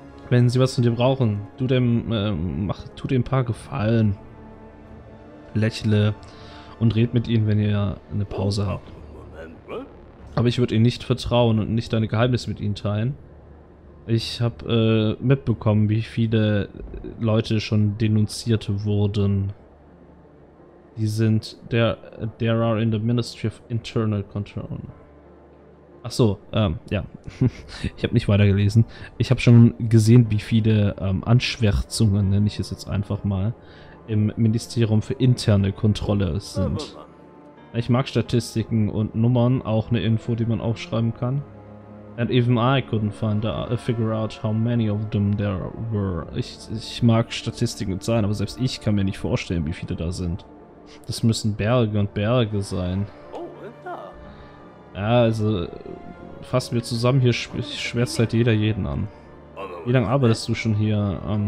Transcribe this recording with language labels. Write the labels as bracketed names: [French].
[German] Wenn sie was von dir brauchen, du dem, tu dem ein paar Gefallen. Lächle. Und red mit ihnen, wenn ihr eine Pause habt. Aber ich würde ihnen nicht vertrauen und nicht deine Geheimnisse mit ihnen teilen. Ich habe mitbekommen, wie viele Leute schon denunziert wurden. Die sind... [English] There are in the Ministry of Internal Control. [German] Achso, ja. Ich habe nicht weitergelesen. Ich habe schon gesehen, wie viele Anschwärzungen, nenne ich es jetzt einfach mal, im Ministerium für interne Kontrolle sind. Ich mag Statistiken und Nummern, auch eine Info, die man aufschreiben kann. [English] And even I couldn't figure out how many of them there were. [German] Ich mag Statistiken und Zahlen, aber selbst ich kann mir nicht vorstellen, wie viele da sind. Das müssen Berge und Berge sein. Ja, also fassen wir zusammen, hier schwärzt halt jeder jeden an. Wie lange arbeitest du schon hier?